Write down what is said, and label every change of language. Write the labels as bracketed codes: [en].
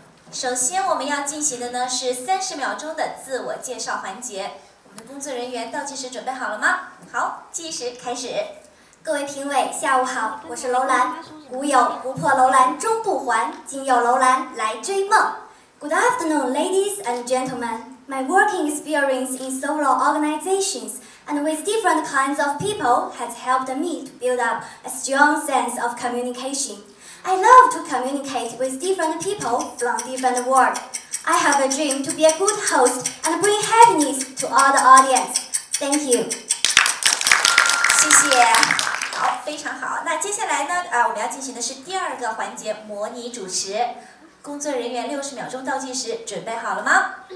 [zh] 首先我们要进行的呢是30秒钟的自我介绍环节，我们的工作人员倒计时准备好了吗？好，计时开始。各位评委下午好，我是楼兰，古有不破楼兰终不还，今有楼兰来追梦。 [en] Good afternoon ladies and gentlemen, my working experience in solo organizations and with different kinds of people has helped me to build up a strong sense of communication. I love to communicate with different people from different worlds. I have a dream to be a good host and bring happiness to all the audience. Thank you. [zh] 谢谢。好，非常好。那接下来呢，我们要进行的是第二个环节，模拟主持。工作人员60秒钟倒计时，准备好了吗？